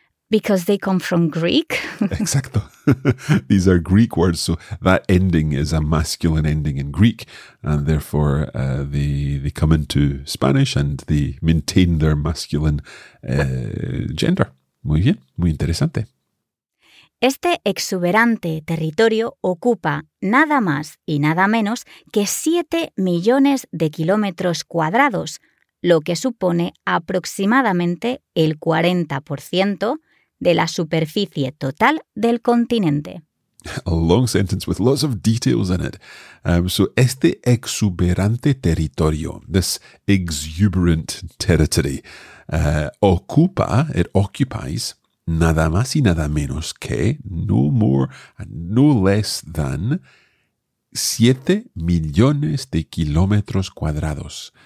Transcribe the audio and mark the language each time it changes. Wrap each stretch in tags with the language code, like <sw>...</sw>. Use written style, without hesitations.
<en>Because they come from Greek.</en> <es>Exacto.</es> <en>These are Greek words, so that ending is a masculine ending in Greek, and therefore they come into Spanish and they maintain their masculine gender.</en> <es>Muy bien, muy interesante. Este exuberante territorio ocupa nada más y nada menos que 7 millones de kilómetros cuadrados, lo que supone aproximadamente el 40% de la superficie total del continente.</es> <en>A long sentence with lots of details in it.</en> <es>So, este exuberante territorio,</es> <en>this exuberant territory, it occupies,</en> <es>nada más y nada menos que,</es> <en>no more and no less than,</en> <es>7 millones de kilómetros cuadrados.</es>